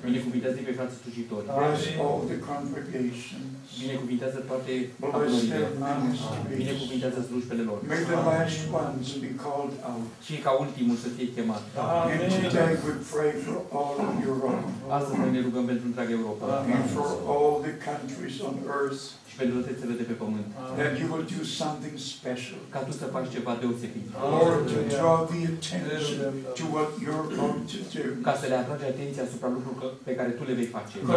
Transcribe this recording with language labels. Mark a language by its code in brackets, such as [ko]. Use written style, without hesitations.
[en] Bless all the congregations. Bless their ministries. May the last ones be called out. And today we pray for all of Europe. And for all the countries on earth. [ro] Pentru toate țările de pe pământ. [en] That you will do something special. [ro] Ca tu să faci ceva deosebit. [en] Lord, to draw the attention to what your [ro] ca să le atragi atenția asupra lucrurilor pe care tu le vei face.